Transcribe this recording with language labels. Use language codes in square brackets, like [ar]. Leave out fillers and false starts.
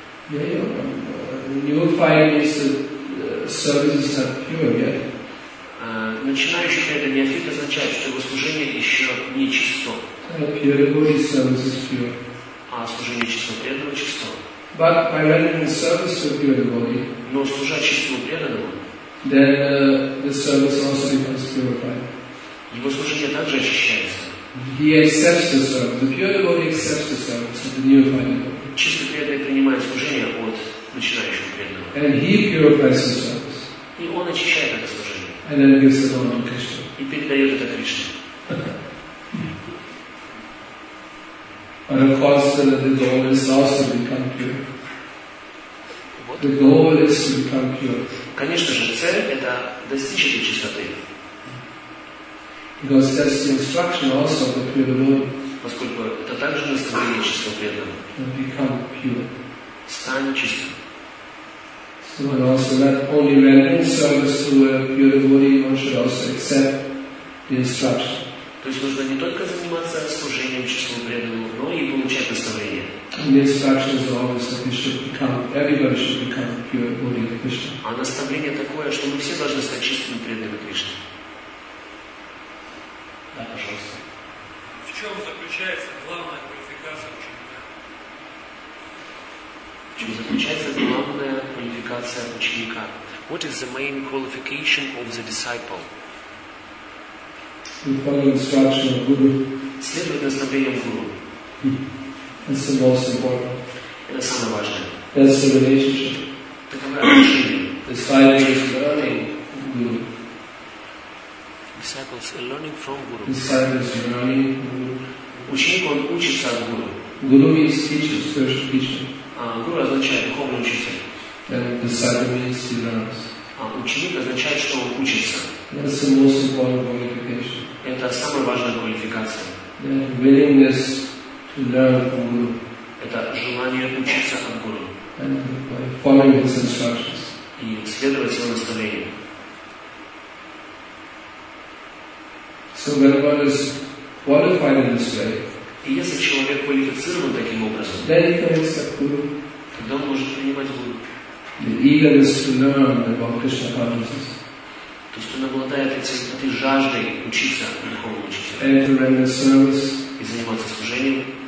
[en] Yeah, you know, you'll find these services are pure, yeah? [ru] Начинающий преданный неофит означает, что его служение еще не чисто. [en] Pure devotee service is pure. [ru] А служение чисто преданного чисто. [en] But by rendering service to pure devotee, [ru] но служа чистому преданному, [en] then the service also becomes purified. [ru] Его служение также очищается. [en] He accepts the service. The pure devotee accepts the service of the neophyte devotee. [ru] Чистый преданный принимает служение от начинающего преданного. [en] And he purifies the service. [ru] И он очищает это служение. [en] And then gives it on to Krishna. [ru] И передает это Кришне. [en] And of course, the devotee is also become pure. What? the goal is to become pure. [ru] Конечно же, цель – это достичь этой чистоты. [en] Because that's the instruction also of the pure Lord. [ru] Поскольку это также наставление чисто преданного. [en] To become pure. [ru] Стань чистым. [en] So and also not only rendering service to a pure devotee, one should also accept the instruction. [ru] То есть нужно не только заниматься служением чистому преданному, но и получать наставление. [en] And the instruction is always that we should become, everybody should become a pure devotee of Krishna. [ru] А наставление такое, что мы все должны стать чистыми преданными Кришне. Да, пожалуйста. В чем заключается главная квалификация ученика? В чем заключается главная квалификация ученика? [en] What is the main qualification of the disciple? We follow the instruction of Guru. [ru] Следовать наставлениям Гуру. [en] That's the most important. [ru] Это самое важное. [en] That's the relationship. [ru] Таково отношение. [en] The disciple is learning Guru. Disciples are learning from Guru. Disciples are learning Guru. [ru] Ученик, он учится от Гуру. [en] Guru means teacher, spiritual teacher. [ru] Guru означает духовный учитель. [en] And disciple means he learns. [ru] Ученик означает, что он учится. [en] That's the most important qualification. [ru] Это самая важная квалификация. [en] The willingness to learn from Guru. [ru] Это желание учиться от Гуру. [en] And by following his instructions. [ru] И следовать его наставлениям. [en] So when one is qualified in this way, [ru] и если человек квалифицирован таким образом, [en] then he can accept Guru. [ru] Тогда он может принимать Гуру. [en] The eagerness to learn about Krishna consciousness. [ru] То есть он обладает этой жаждой учиться духовному учителю. [en] And to render service. [ru] И заниматься служением.